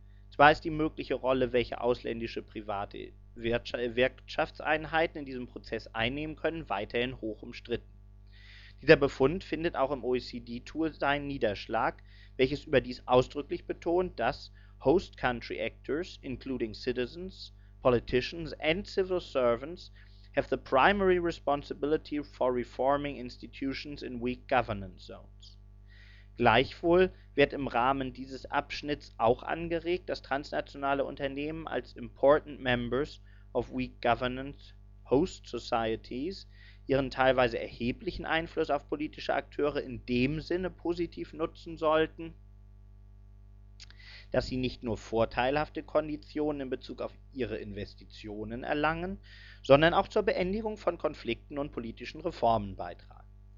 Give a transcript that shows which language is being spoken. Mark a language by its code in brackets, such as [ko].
[de] Zwar ist die mögliche Rolle, welche ausländische private Wirtschaftseinheiten in diesem Prozess einnehmen können, weiterhin hoch umstritten. Dieser Befund findet auch im OECD-Tool seinen Niederschlag, welches überdies ausdrücklich betont, dass [en] host country actors, including citizens, politicians, and civil servants, have the primary responsibility for reforming institutions in weak governance zones. [de] Gleichwohl wird im Rahmen dieses Abschnitts auch angeregt, dass transnationale Unternehmen als [en] important members of weak governance host societies [de] ihren teilweise erheblichen Einfluss auf politische Akteure in dem Sinne positiv nutzen sollten, dass sie nicht nur vorteilhafte Konditionen in Bezug auf ihre Investitionen erlangen, sondern auch zur Beendigung von Konflikten und politischen Reformen beitragen.